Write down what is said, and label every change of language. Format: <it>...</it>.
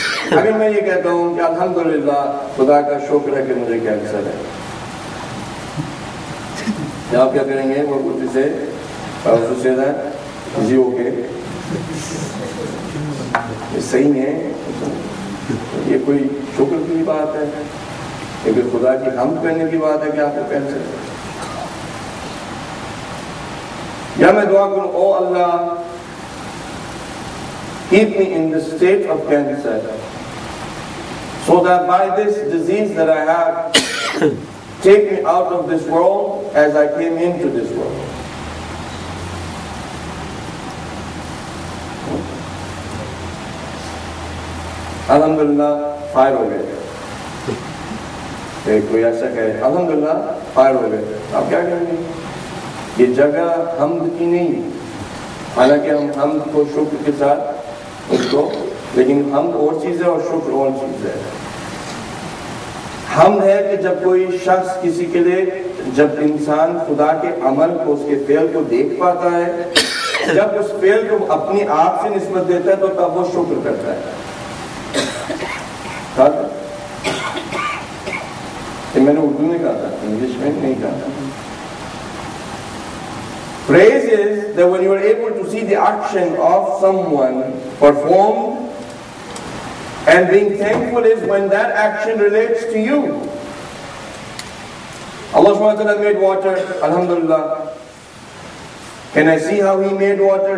<ur>اگر میں یہ کہتا ہوں کہ الحمدللہ خدا کا شکر ہے کہ مجھے کینسر ہے, یا آپ کیا کریں گے؟ وہ کچھ اسے خصوصی ہے جی ہو کے صحیح ہے, یہ کوئی شکر کی بات ہے کیونکہ خدا کی حمد کرنے کی بات ہے کہ آپ کو کہہ سکتے. یا میں دعا کروں او اللہ</ur> <en>keep me in the state of cancer so that by this disease that I have take me out of this world as I came into this world.</en> <ur>الحمد للہ فائر ہو گئے. کوئی ایسا کہے الحمد للہ فائر ہو گئے, آپ کیا کریں گے؟ یہ جگہ حمد کی نہیں, حالانکہ ہم حمد کو شکر کے ساتھ اس کو, لیکن حمد اور چیز ہے اور شکر اور چیز ہے. حمد ہے کہ جب کوئی شخص کسی کے لیے, جب انسان خدا کے عمل کو اس کے فعل کو دیکھ پاتا ہے, جب اس فعل کو اپنی آپ سے نسبت دیتا ہے تو تب وہ شکر کرتا ہے. میں نے اردو میں کہا تھا, انگلش میں نہیں کہا تھا.</ur> <en>Praise is that when you are able to see the action of someone performed, and being thankful is when that action relates to you. Allah subhanahu wa ta'ala made water, alhamdulillah. Can I see how He made water?</en>